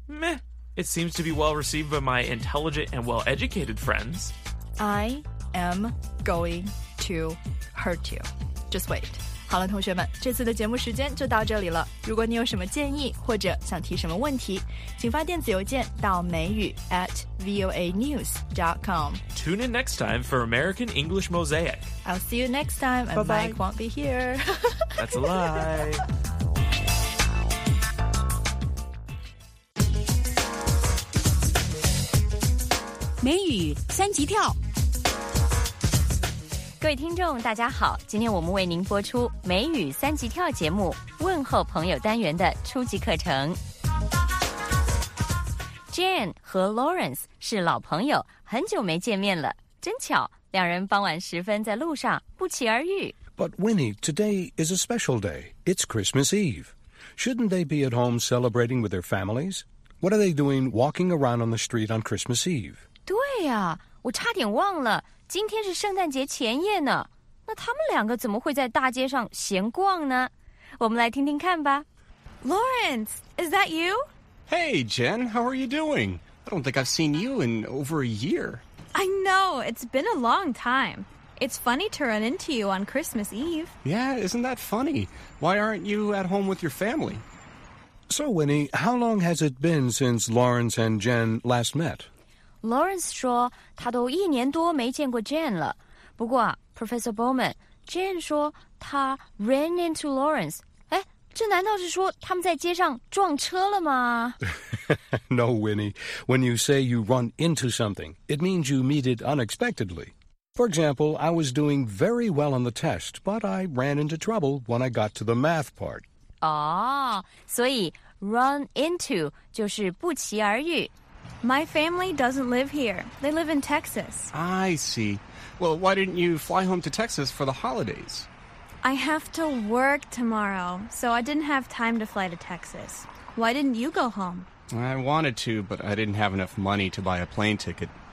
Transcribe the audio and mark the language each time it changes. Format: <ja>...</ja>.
<en>Meh, it seems to be well received by my intelligent and well-educated friends. I am going to hurt you. Just wait.</en> <zh>好了，同学们，这次的节目时间就到这里了。如果你有什么建议或者想提什么问题，请发电子邮件到美语@voanews.com.</zh> <en>Tune in next time for American English Mosaic. I'll see you next time, and Mike won't be here. That's a lie.</en> <zh>美语三级跳。各位听众大家好，今天我们为您播出美语三级跳节目问候朋友单元的初级课程。 Jane 和 Lawrence 是老朋友，很久没见面了，真巧，两人傍晚时分在路上不期而遇。</zh> <en>But Winnie, today is a special day. It's Christmas Eve. Shouldn't they be at home celebrating with their families? What are they doing walking around on the street on Christmas Eve?</en> <zh>对呀，我差点忘了，今天是圣诞节前夜呢。那他们两个怎么会在大街上闲逛呢？我们来听听看吧。</zh> <en>Lawrence, is that you? Hey, Jen, how are you doing? I don't think I've seen you in over a year. I know, it's been a long time. It's funny to run into you on Christmas Eve. Yeah, isn't that funny? Why aren't you at home with your family? So, Winnie, how long has it been since Lawrence and Jen last met?</en> <zh>Lawrence 说他都一年多没见过 Jen 了。不过啊 ,Professor Bowman, Jen 说他</zh> <en>ran into</en> <zh>Lawrence. 哎，这难道是说他们在街上撞车了吗？</zh> <en>No, Winnie. When you say you run into something, it means you meet it unexpectedly. For example, I was doing very well on the test, but I ran into trouble when I got to the math part.</en> <zh>Oh, 所以</zh> <en>run into</en> <zh>就是不期而遇。</zh> <en>My family doesn't live here. They live in Texas. I see. Well, why didn't you fly home to Texas for the holidays? I have to work tomorrow, so I didn't have time to fly to Texas. Why didn't you go home? I wanted to, but I didn't have enough money to buy a plane ticket.</en>